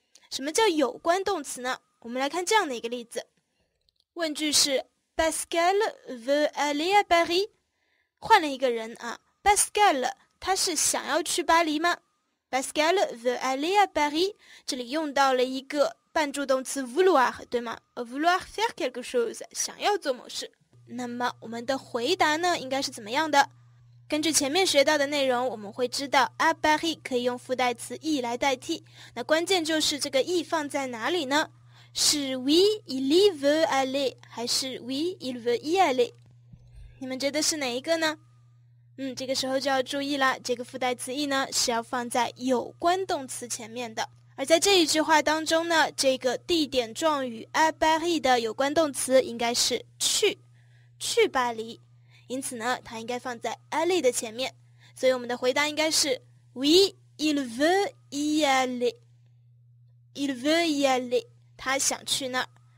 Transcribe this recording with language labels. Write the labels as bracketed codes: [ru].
[zh] 什么叫有关动词呢？我们来看这样的一个例子，问句是 [fr] Pascal veut aller à Paris， [zh] 换了一个人啊， Pascal 他是想要去巴黎吗？ [fr] Pascal veut aller à Paris， [zh] 这里用到了一个半助动词 vouloir， 对吗？ [fr] vouloir faire quelque chose， [zh] 想要做某事。那么我们的回答呢应该是怎么样的？根据前面学到的内容，我们会知道 à Paris 可以用附带词 e 来代替。那关键就是这个 e 放在哪里呢？ [fr] 是 oui, il y veut aller [zh] 还是 [fr] oui, il veut y aller？ [zh] 你们觉得是哪一个呢？嗯，这个时候就要注意了，这个附带词 e 呢是要放在有关动词前面的。而在这一句话当中呢，这个地点状语 à Paris 的有关动词应该是去，去巴黎，因此呢它应该放在 aller 的前面，所以我们的回答应该是 [fr] oui, il veut y aller, [zh] il veut y aller，他想去那儿。